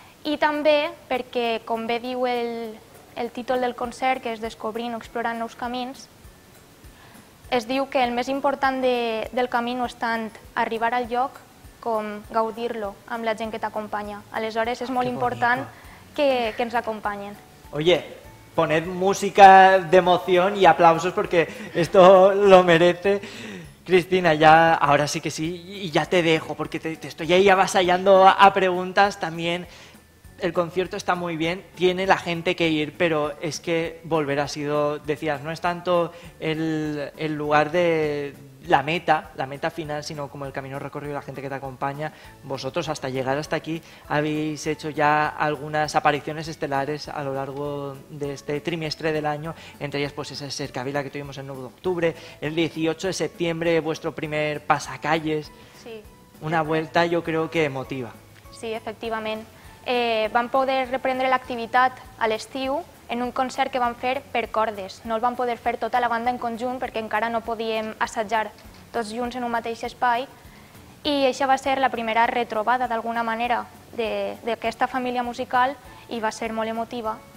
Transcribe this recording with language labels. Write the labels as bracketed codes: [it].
[ca] I també perquè, com bé diu el títol del concert, que és Descobrint o explorant nous camins, es diu que el més important del camí no és tant arribar al lloc com gaudir-lo amb la gent que t'acompanya. Aleshores, és molt important que ens acompanyen. [es] Oye, poned música de emoción y aplausos porque esto lo merece. Cristina, ya ahora sí que sí, y ya te dejo porque te estoy ahí avasallando a preguntas. También el concierto está muy bien, tiene la gente que ir, pero es que volver ha sido, decías, no es tanto el lugar de la meta final, sino como el camino recorrido, la gente que te acompaña. Vosotros, hasta llegar hasta aquí, habéis hecho ya algunas apariciones estelares a lo largo de este trimestre del año, entre ellas pues esa Cercavila que tuvimos el 9 de octubre, el 18 de septiembre vuestro primer pasacalles. Sí. Una vuelta yo creo que emotiva. Sí, efectivamente. [ca] Van poder reprendre l'activitat a l'estiu en un concert que van fer per cordes. No el van poder fer tota la banda en conjunt perquè encara no podíem assajar tots junts en un mateix espai. I això va ser la primera retrobada d'alguna manera d'aquesta família musical i va ser molt emotiva.